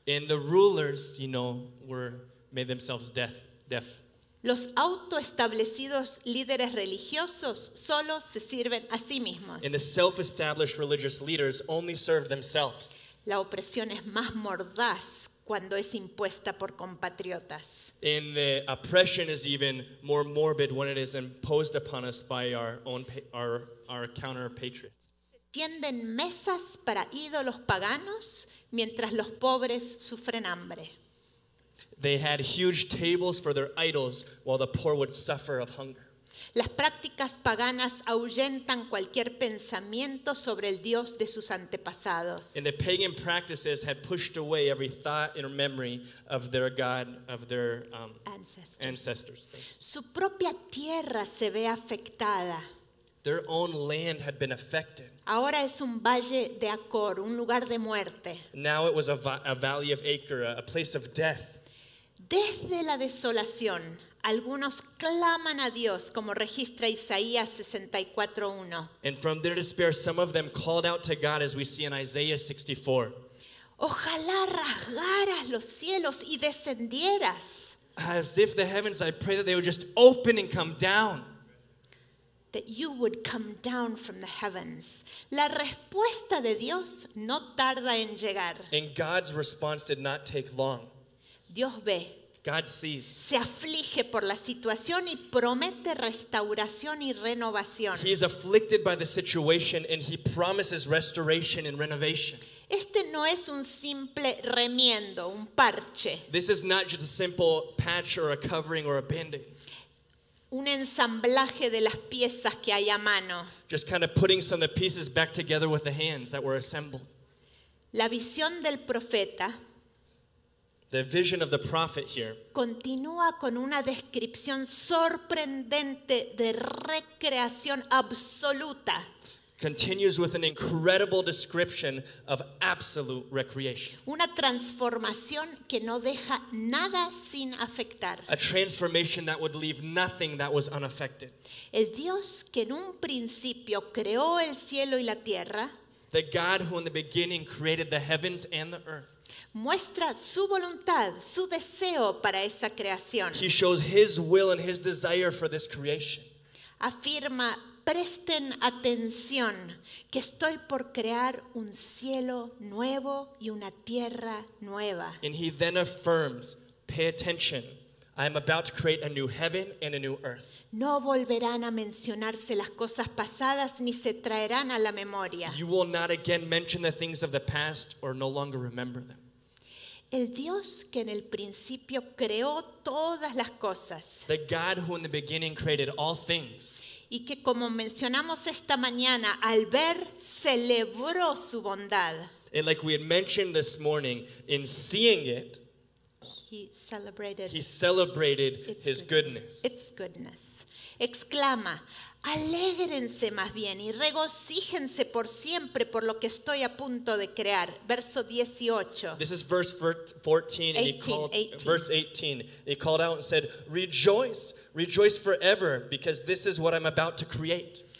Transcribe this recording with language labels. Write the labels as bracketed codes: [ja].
[en] And the rulers, you know, made themselves deaf. [es] Los autoestablecidos líderes religiosos solo se sirven a sí mismos. [en] And the self-established religious leaders only serve themselves. [es] La opresión es más mordaz cuando es impuesta por compatriotas. [en] And the oppression is even more morbid when it is imposed upon us by our counter-patriots. [es] Tienden mesas para ídolos paganos mientras los pobres sufren hambre. [en] They had huge tables for their idols while the poor would suffer of hunger. [es] Las prácticas paganas ahuyentan cualquier pensamiento sobre el Dios de sus antepasados. [en] And the pagan practices had pushed away every thought and memory of their God, of their ancestors. [es] Su propia tierra se ve afectada. [en] Their own land had been affected. [es] Ahora es un valle de Acor, un lugar de muerte. [en] Now it was a valley of Acre, a place of death. [es] Desde la desolación, algunos claman a Dios, como registra Isaías 64:1. [en] And from their despair, some of them called out to God, as we see in Isaiah 64. [es] Ojalá rasgaras los cielos y descendieras. [en] As if the heavens, I pray that they would just open and come down. That you would come down from the heavens. [es] La respuesta de Dios no tarda en llegar. [en] And God's response did not take long. [es] Dios ve. [en] God sees. [es] Se aflige por la situación y promete restauración y renovación. [en] He is afflicted by the situation and he promises restoration and renovation. [es] Este no es un simple remiendo, un parche. [en] This is not just a simple patch or a covering or a band-aid. [es] Un ensamblaje de las piezas que hay a mano. [en] Just kind of putting some of the pieces back together with the hands that were assembled. [es] La visión del profeta. [en] The vision of the prophet here. [es] Continúa con una descripción sorprendente de recreación absoluta. [en] Continues with an incredible description of absolute recreation. [es] Una transformación que no deja nada sin afectar. [en] A transformation that would leave nothing that was unaffected. [es] El Dios que en un principio creó el cielo y la tierra. [en] The God who in the beginning created the heavens and the earth. [es] Muestra su voluntad, su deseo para esa creación. [en] He shows his will and his desire for this creation. [es] Afirma, presten atención, que estoy por crear un cielo nuevo y una tierra nueva. [en] And he then affirms, pay attention, I am about to create a new heaven and a new earth. [es] No volverán a mencionarse las cosas pasadas ni se traerán a la memoria. [en] You will not again mention the things of the past or no longer remember them. [es] El Dios que en el principio creó todas las cosas. [en] The God who in the beginning created all things. [es] Y que como mencionamos esta mañana, al ver, celebró su bondad. [en] And like we had mentioned this morning, in seeing it, He celebrated his goodness. Its goodness. [es] Exclama, alégrense más bien y regocíjense por siempre por lo que estoy a punto de crear. Verso 18. [en] This is verse 14. 18. Verse 18. He called out and said, rejoice, rejoice forever, because this is what I'm about to create.